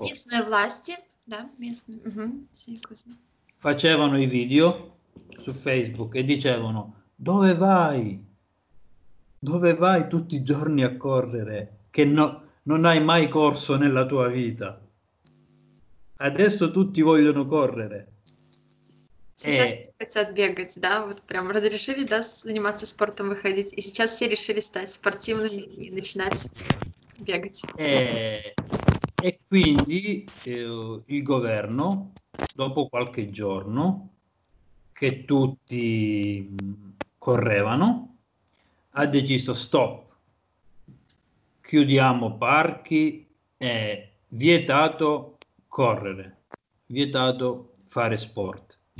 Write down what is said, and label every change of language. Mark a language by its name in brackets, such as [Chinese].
[Russian] Местные власти, да, местные. [Italian] Sì, così. facevano i video su Facebook e dicevano: dove vai? Dove vai tutti i giorni a correre, che no, non hai mai corso nella tua vita? Adesso tutti vogliono correre. [Russian] Сейчас хотят бегать, да, вот прям разрешили, да, заниматься спортом, выходить. И сейчас все решили стать спортивными и начинать бегать. [Italian] E quindi il governo, dopo qualche giorno che tutti correvano, ha deciso: stop, chiudiamo parchi, è vietato correre, vietato fare sport.